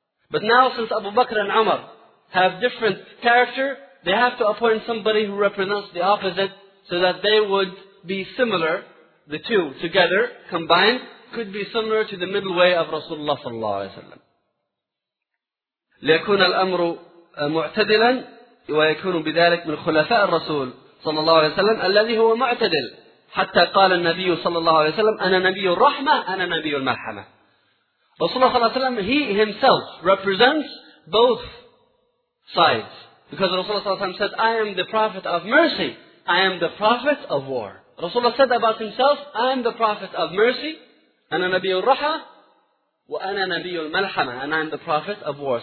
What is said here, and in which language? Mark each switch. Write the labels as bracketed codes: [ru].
[en] But now, since Abu Bakr and Umar have different character, they have to appoint somebody who represents the opposite, so that they would be similar, the two together, combined, could be similar to the middle way of Rasulullah sallallahu alayhi wa sallam. [ar] لِيَكُونَ الْأَمْرُ مُعْتَدِلًا وَيَكُونُ بِذَلِكْ مِنْ خُلَفَاءِ الرَّسُولِ صلى الله عليه وسلم الذي هو معتدل حتى قال النبي صلى الله عليه وسلم أنا نبي الرحمة أنا نبي المرحمة. [en] Rasulullah صلى الله عليه وسلم, he himself represents both sides. Because Rasulullah صلى الله عليه وسلم said, I am the prophet of mercy, I am the prophet of war. Rasulullah said about himself, I am the prophet of mercy, [ar] أنا نبي الرحمة, وأنا نبي الملحمة, [en] and I am the prophet of war.